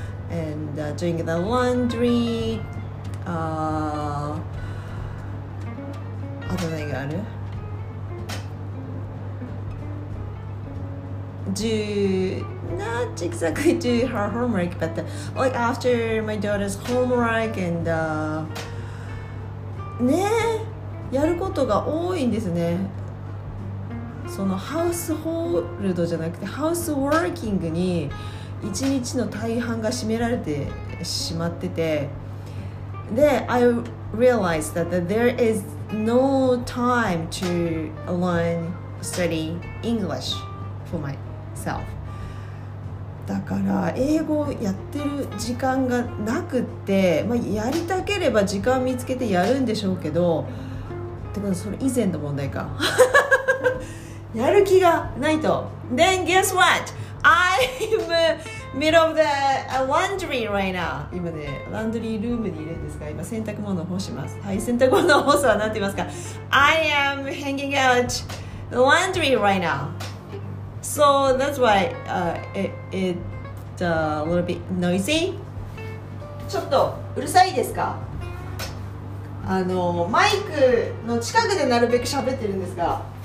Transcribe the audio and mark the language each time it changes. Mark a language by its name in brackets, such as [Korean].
[English] And doing the laundry, other thing, not exactly do her homework, but like after my daughter's homework and [Japanese] ね、やることが多いんですね。そのハウスホールドじゃなくてハウスワーキングに。一日の大半が占められてしまってて、で、 [English] I realized that there is no time to learn, study English for myself. [Japanese] だから英語をやってる時間がなくって、まあ、やりたければ時間見つけてやるんでしょうけど、ってことはそれ以前の問題か。やる気がないと。 [English] Then guess what? I'm middle of the laundry right now. [Japanese] 今ね、ランドリールームにいるんですが、今洗濯物を干します。はい、洗濯物を干すはなんて言いますか。 [English] I am hanging out the laundry right now. So that's why it's a little bit noisy. [Japanese] ちょっとうるさいですか。あのマイクの近くでなるべく喋ってるんですが。